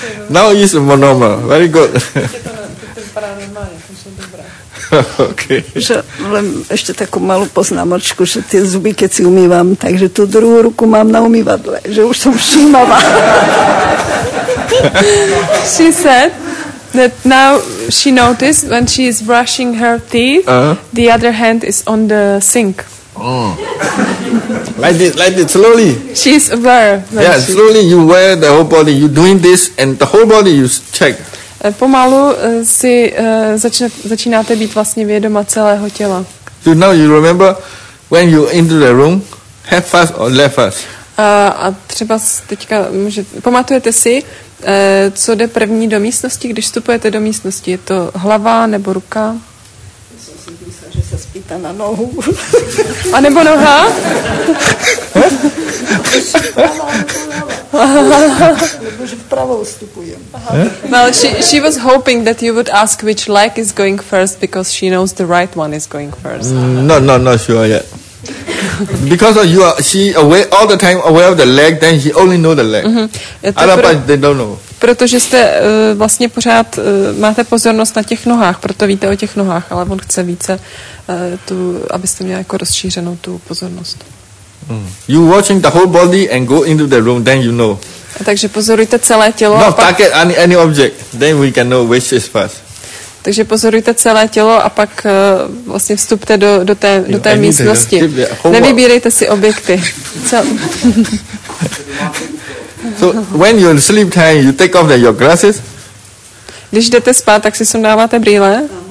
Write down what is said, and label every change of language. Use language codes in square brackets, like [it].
[en] Now it is more normal. Very good. Okay. [cs] Ještě takovou malou poznámočku, že ty zuby, keď si umývám, takže tu druhou ruku mám na umývadle, že už jsem všímavá. [en] She said that now she noticed when she is brushing her teeth, uh-huh, the other hand is on the sink. Like this, slowly. She is aware. Yeah, slowly you wear the whole body, you doing this and the whole body you check. [cs] Pomalu si začínáte být vlastně vědoma celého těla. [en] Do now you remember when you enter the room, head first or left first? [cs] A třeba teďka pamatujete si, co jde první do místnosti, když vstupujete do místnosti? Je to hlava nebo ruka? Na nohu. A nebo noha? Nebo že vpravo vstupujem. [en] Well, she was hoping that you would ask which leg is going first because she knows the right one is going first. No, not sure yet. Because of you are, she aware, all the time aware of the leg, then she only know the leg. Mm-hmm. Otherwise, they don't know. [cs] Protože jste vlastně pořád máte pozornost na těch nohách, proto víte o těch nohách, ale on chce více tu, abyste měli jako rozšířenou tu pozornost. Mm. [en] You watching the whole body and go into the room, then you know. [cs] A takže pozorujte celé tělo. [en] No, target any object, then we can know which is first. [cs] Takže pozorujte celé tělo a pak vlastně vstupte do té místnosti. Nevybírejte si objekty. [en] So when you sleep time, you take off your glasses. [cs] Když jdete spát, tak si sundáváte brýle.